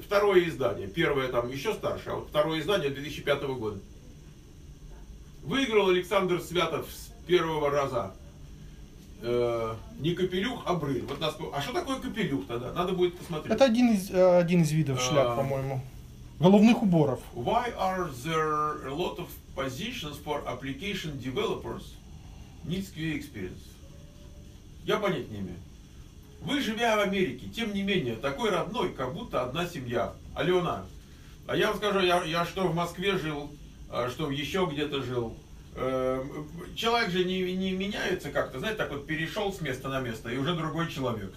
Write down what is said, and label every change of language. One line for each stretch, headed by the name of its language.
Russian: Второе издание, первое там еще старше, а вот второе издание 2005 года. Выиграл Александр Святов с первого раза. Не капелюх, а брыль. Вот нас... А что такое капелюх тогда? Надо будет посмотреть. Это один из видов шляп, по-моему. Головных уборов.
English: Why are there a lot of positions for application developers needs QA experience?
Russian: Я понять не имею. Вы, живя в Америке, тем не менее, такой родной, как будто одна семья. Алена, а я вам скажу, я что в Москве жил, что еще где-то жил. Человек же не меняется как-то, знаете, так вот перешел с места на место, и уже другой человек.